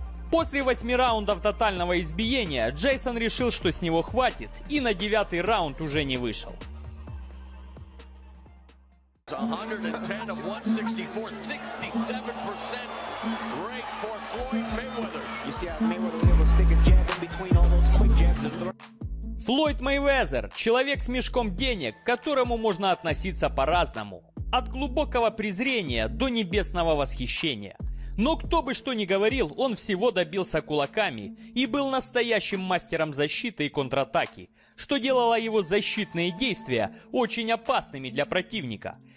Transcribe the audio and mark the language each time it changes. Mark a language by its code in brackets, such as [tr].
[ru] После 8 раундов тотального избиения Джейсон решил, что с него хватит, и на 9-й раунд уже не вышел. [en] 110 of 164, 67% break for Floyd Mayweather. You see how Mayweather will stick his jab in between all those quick jabs and throws. [ru] Флойд Мейвезер – человек с мешком денег, к которому можно относиться по-разному. От глубокого презрения до небесного восхищения. Но кто бы что ни говорил, он всего добился кулаками и был настоящим мастером защиты и контратаки, что делало его защитные действия очень опасными для противника.